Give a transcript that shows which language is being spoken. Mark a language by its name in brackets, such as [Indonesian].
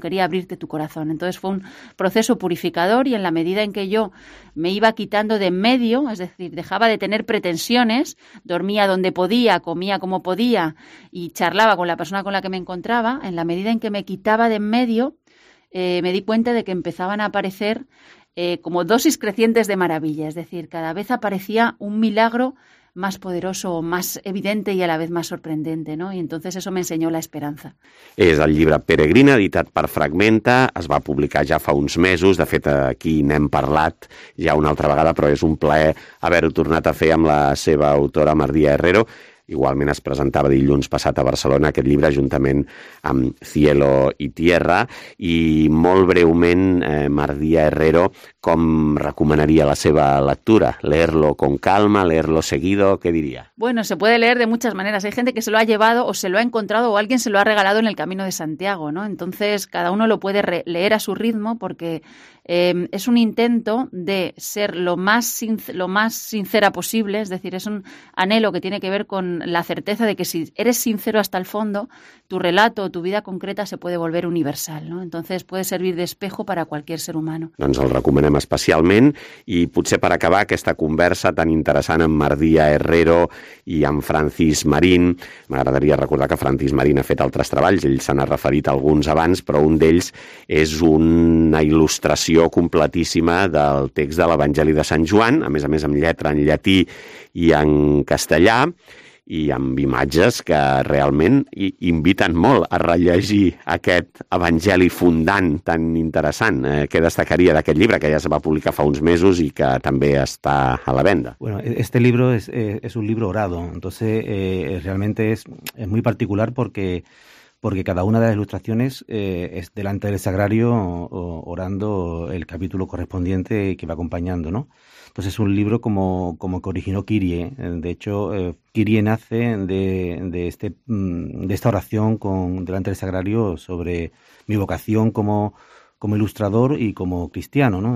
[Spanish] Quería abrirte tu corazón. Entonces fue un proceso purificador, y en la medida en que yo me iba quitando de en medio, es decir, dejaba de tener pretensiones, dormía donde podía, comía como podía y charlaba con la persona con la que me encontraba, en la medida en que me quitaba de en medio, me di cuenta de que empezaban a aparecer como dosis crecientes de maravilla, es decir, cada vez aparecía un milagro más poderoso, más evidente y a la vez más sorprendente, ¿no? Y entonces eso me enseñó la esperanza. [Catalan] És el llibre Peregrina, editat per Fragmenta, es va publicar ja fa uns mesos, de fet aquí n'hem parlat ja una altra vegada, però és un plaer haver-ho tornat a fer amb la seva autora, Mardía Herrero. Igualment es presentava dilluns passat a Barcelona aquest llibre juntament amb Cielo y Tierra. I molt breument, Mardía Herrero, com recomanaria la seva lectura? [Spanish] ¿Leerlo con calma? ¿Leerlo seguido? ¿Qué diría? Bueno, se puede leer de muchas maneras. Hay gente que se lo ha llevado o se lo ha encontrado o alguien se lo ha regalado en el Camino de Santiago, ¿no? Entonces, cada uno lo puede leer a su ritmo porque es un intento de ser lo más sincera posible. Es decir, es un anhelo que tiene que ver con la certeza de que si eres sincero hasta el fondo, tu relato o tu vida concreta se puede volver universal, ¿no? Entonces, puede servir de espejo para cualquier ser humano. [Catalan] Doncs el recomanem especialment, i potser per acabar aquesta conversa tan interessant amb Mardía Herrero i amb Francis Marín, m'agradaria recordar que Francis Marín ha fet altres treballs, ell se n'ha referit alguns abans, però un d'ells és una il·lustració completíssima del text de l'Evangeli de Sant Joan, a més amb lletra en llatí i en castellà, i amb imatges que realment inviten molt a rellegir aquest evangeli fundant tan interessant. Què destacaria d'aquest llibre, que ja es va publicar fa uns mesos i que també està a la venda? [Spanish] Bueno, este libro es un libro orado, entonces realmente es muy particular porque porque cada una de las ilustraciones es delante del sagrario orando el capítulo correspondiente que va acompañando, ¿no? Entonces es un libro como que originó Kyrie. De hecho, Kyrie nace de esta oración delante del sagrario sobre mi vocación como ilustrador y como cristiano, ¿no?